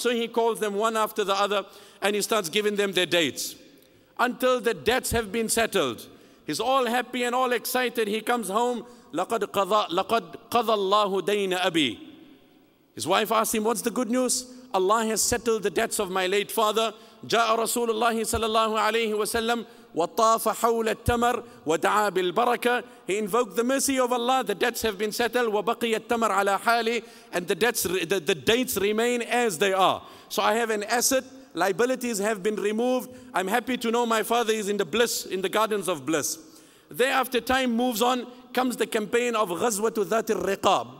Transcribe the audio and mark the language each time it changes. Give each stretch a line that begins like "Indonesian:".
English: So he calls them one after the other and he starts giving them their dates. Until the debts have been settled. He's all happy and all excited. He comes home.
Arabic: لَقَدْ قَضَى اللَّهُ دَيْنَ أَبِي.
English: His wife asks him, what's the good news? Allah has settled the debts of my late father.
Arabic: جَاءَ رَسُولُ اللَّهِ صَلَى اللَّهُ عَلَيْهِ وَسَلَّمْ وَطَافَ حَوْلَ التَّمَرِ وَدَعَى بِالْبَرَكَةِ.
English: He invoked the mercy of Allah. The debts have been settled.
Arabic: وَبَقِيَ التَّمَرْ عَلَى حَالِي.
English: And the dates remain as they are. So I have an asset. Liabilities have been removed. I'm happy to know my father is in the bliss, in the gardens of bliss. Thereafter, time moves on, comes the campaign of Ghazwatu Dhat al-Riqab.